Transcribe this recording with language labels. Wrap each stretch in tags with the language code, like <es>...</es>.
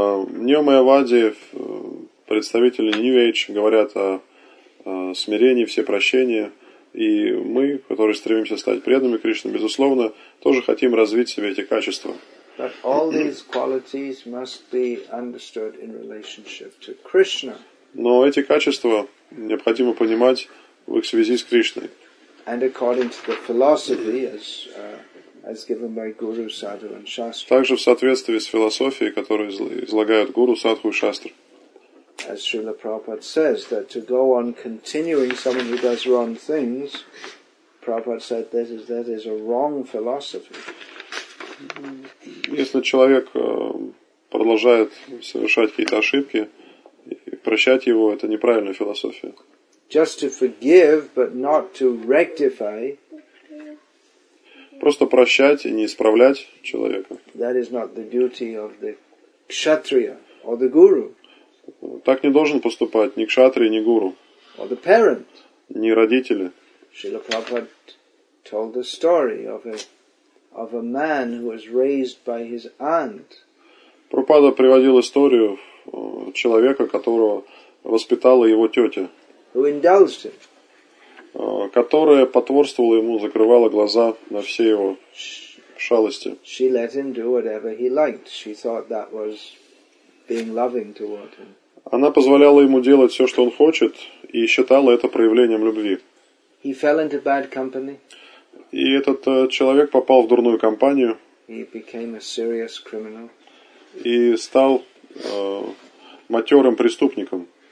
<ru>Неомайавади, представители New Age, говорят о смирении, всепрощении. И мы, которые стремимся стать преданными Кришне, безусловно, тоже хотим развить в себе эти качества.</ru> <en>But all these qualities must be understood in relationship to Krishna.</en> <ru>Но эти качества необходимо понимать в их связи с Кришной.</ru> <en>And according to the philosophy as given by Guru, Sadhu and Shastra.</en> <ru>Также в соответствии с философией, которую излагают Гуру, Садху и Шастра.</ru> <en>As Srila Prabhupada says, that to go on continuing someone who does wrong things, Prabhupada said that is a wrong philosophy.</en> <ru>Если человек продолжает совершать какие-то ошибки, прощать его — это неправильная философия.</ru> <en>Just to forgive, but not to rectify.</en> <ru>Просто прощать и не исправлять человека.</ru> <en>That is not the duty of the kshatriya or the guru.</en> <ru>Так не должен поступать ни кшатрия, ни гуру.</ru> <en>Or the parent.</en> <ru>Ни родители.</ru> <en>Srila Prabhupada told the story of a man who was raised by his aunt.</en> <ru>Прабхупада приводил историю человека, которого воспитала его тетя.</ru> <en>who indulged him.</en> <ru>Которая потворствовала ему, закрывала глаза на все его шалости.</ru> <en>She let him do whatever he liked. She thought that was being loving toward him.</en> <ru>Она позволяла ему делать все, что он хочет, и считала это проявлением любви.</ru> <en>He fell into bad company.</en> <ru>И этот человек попал в дурную компанию.</ru> <en>He became a serious criminal.</en> <ru>И стал матерым преступником.</ru>